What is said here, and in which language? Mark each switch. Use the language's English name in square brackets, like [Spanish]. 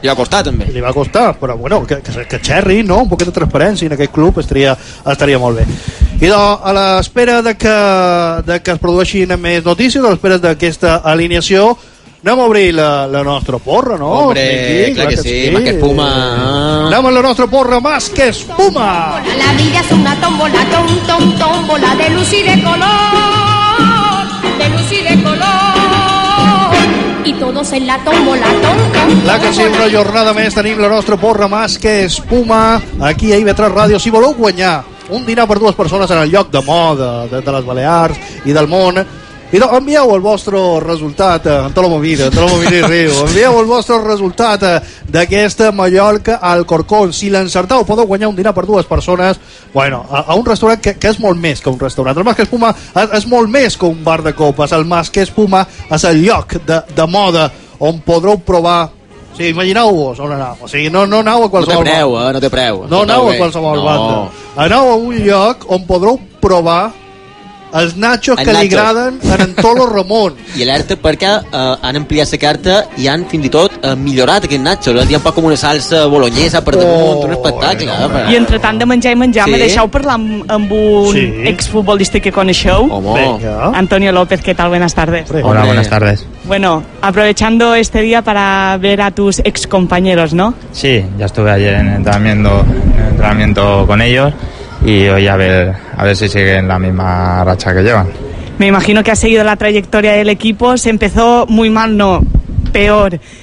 [Catalan] Li va costar, també. Li va costar, però bueno, que xerri, no?, un poquet de transparència en aquest club estaria molt bé. Idò, a l'espera de que es produeixin més notícies, a l'espera d'aquesta alineació, anem a obrir la nostra porra, no? Hombre, clar que sí. Más que espuma. Anem a la nostra porra, más que espuma. [Spanish] La vida es una tómbola, tómbola de luz y de color, de luz y de color, y todos en la tómbola, tómbola. [Catalan] Clar que sí, una jornada més tenim la nostra porra, más que espuma, aquí a IB3 Ràdio, si voleu guanyar un dinar per dues persones en el lloc de moda de les Balears i del món. I doncs envieu el vostre resultat en tota la movida, en tota la movida i riu. Envieu el vostre resultat d'aquesta Mallorca al Corcón. Si l'encertau, podeu guanyar un dinar per dues persones, bueno, a un restaurant que és molt més que un restaurant. El Masque Espuma és molt més que un bar de copes. El Masque Espuma és el lloc de moda on podreu provar. Sí, imagineu-vos on anau. O sigui, no anau a qualsevol... No té preu, no té preu. No anau a qualsevol banda. Anau a un lloc on podreu provar els nachos que li agraden a en Tolo Ramon. I alerta perquè han ampliat la carta i han fins i tot millorat aquest nacho. L'han dit un poc com una salsa bolognesa per damunt, un espectacle. I entre tant de menjar i menjar, me deixeu parlar amb un exfutbolista que coneixeu. Antonio López, què tal? [Spanish] Buenas tardes. Hola, buenas tardes. Bueno, aprovechando este día para ver a tus excompañeros, ¿no? Sí, ya estuve ayer también viendo entrenamiento con ellos y hoy a ver si siguen la misma racha que llevan. Me imagino que has seguido la trayectoria del equipo. Se empezó muy mal, no, peor.